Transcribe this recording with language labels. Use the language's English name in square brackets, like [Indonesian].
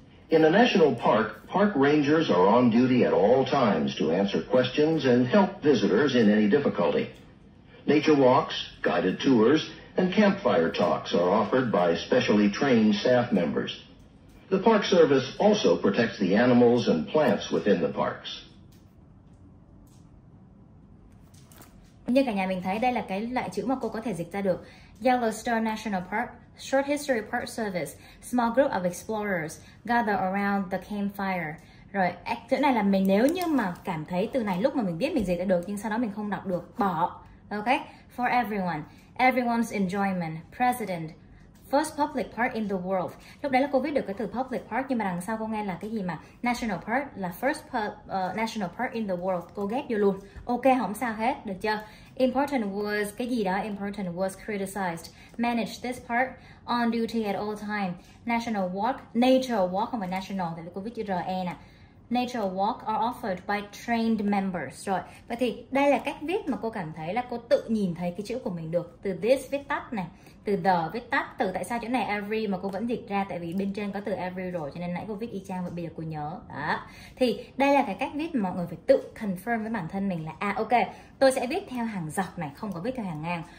[English] In a national park, park rangers are on duty at all times to answer questions and help visitors in any difficulty. Nature walks, guided tours, and campfire talks are offered by specially trained staff members. The Park Service also protects the animals and plants within the parks. [Vietnamese] Như cả nhà mình thấy, đây là cái loại chữ mà cô có thể dịch ra được. [English] Yellowstone National Park, Short History Park Service, small group of explorers gather around the campfire. [Vietnamese] Rồi, chữ này là mình nếu như mà cảm thấy từ này lúc mà mình biết mình dịch ra được nhưng sau đó mình không đọc được, bỏ. [English] Okay? For everyone, everyone's enjoyment, president, first public park in the world. [Vietnamese] Lúc đấy là cô viết được cái từ public park nhưng mà đằng sau cô nghe là cái gì mà national park, là [English] first national park in the world. [Vietnamese] Cô ghét vô luôn. Ok, không sao hết, được chưa? [English] Important was, [Vietnamese] cái gì đó, [English] important was criticized. Manage this park on duty at all time. National walk, nature walk, [Vietnamese] không phải national, tại vì cô viết chữ RE nè. [English] Nature walk are offered by trained members. [Vietnamese] Rồi, vậy thì đây là cách viết mà cô cảm thấy là cô tự nhìn thấy cái chữ của mình được. Từ this viết tắt này, từ the viết tắt, từ tại sao chỗ này every mà cô vẫn dịch ra, tại vì bên trên có từ every rồi, cho nên nãy cô viết y chang và bây giờ cô nhớ. Đó. Thì đây là cái cách viết mà mọi người phải tự confirm với bản thân mình là à ok, tôi sẽ viết theo hàng dọc này, không có viết theo hàng ngang.